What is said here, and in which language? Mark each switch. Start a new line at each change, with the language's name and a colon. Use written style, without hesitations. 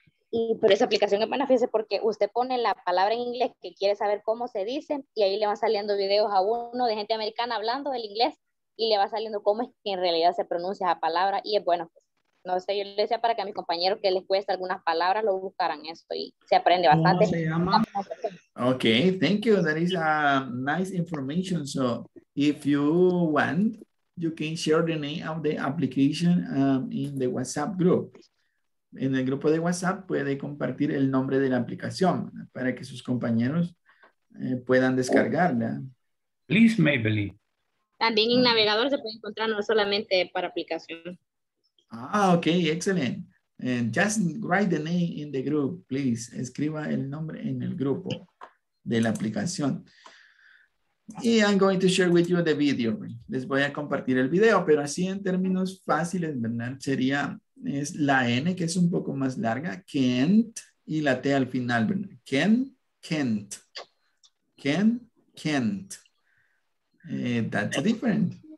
Spanish: Y por esa aplicación es buena, fíjese, porque usted pone la palabra en inglés que quiere saber cómo se dice y ahí le van saliendo videos a uno de gente americana hablando el inglés y le va saliendo cómo es que en realidad se pronuncia esa palabra. Y es bueno, pues, no sé, yo le decía para que a mis compañeros que les cueste algunas palabras lo buscaran esto y se aprende bastante. ¿Cómo se llama?
English: Ok, thank you. That is a nice information. So if you want, you can share the name of the application in the WhatsApp group.
Spanish: En el grupo de WhatsApp puede compartir el nombre de la aplicación para que sus compañeros puedan descargarla.
English: Please, Maybelline.
Spanish: También en navegador se puede encontrar, no solamente para aplicación. Ah, ok, excelente.
English: Just write the name in the group, please.
Spanish: Escriba el nombre en el grupo de la aplicación.
English: Y I'm going to share with you the video.
Spanish: Les voy a compartir el video, pero así en términos fáciles, Bernard, sería... Es la N, que es un poco más larga, can't, y la T al final, Bernard.
English: Can, can't. Can, can't. That's different.